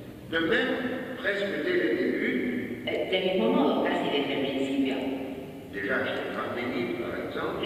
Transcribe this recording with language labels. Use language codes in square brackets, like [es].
[fr] De même, presque dès le début, [es] de mismo modo, casi desde el principio, [fr] déjà en Parménie, par exemple,